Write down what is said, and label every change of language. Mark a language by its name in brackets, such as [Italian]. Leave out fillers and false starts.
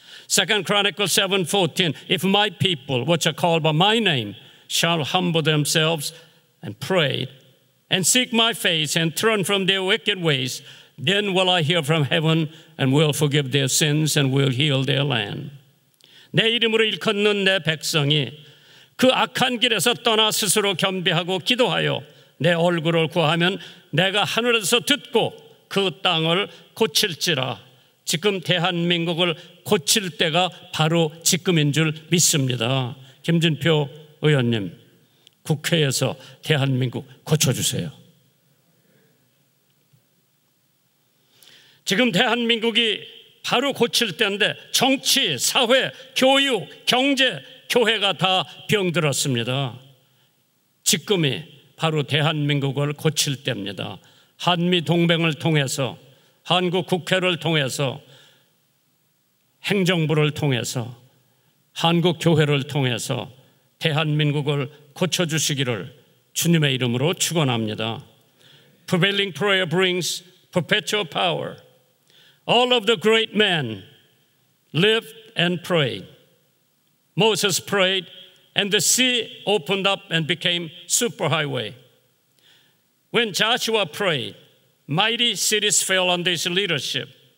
[English] 2 Chronicles 7:14, If my people, which are called by my name, shall humble themselves and pray and seek my face and turn from their wicked ways, then will I hear from heaven and will forgive their sins and will heal their land. [Korean] 내 이름으로 일컫는 내 백성이 그 악한 길에서 떠나 스스로 겸비하고 기도하여 내 얼굴을 구하면 내가 하늘에서 듣고 그 땅을 고칠지라. 지금 대한민국을 고칠 때가 바로 지금인 줄 믿습니다. 김진표 의원님, 국회에서 대한민국 고쳐주세요. 지금 대한민국이 바로 고칠 때인데 정치, 사회, 교육, 경제, 교회가 다 병들었습니다. 지금이 바로 대한민국을 고칠 때입니다. 한미동맹을 통해서, 한국 국회를 통해서, 행정부를 통해서, 한국 교회를 통해서 대한민국을 고쳐주시기를 주님의 이름으로 축원합니다. [English] Prevailing prayer brings perpetual power. All of the great men lived and prayed. Moses prayed and the sea opened up and became superhighway. When Joshua prayed, mighty cities fell under his leadership.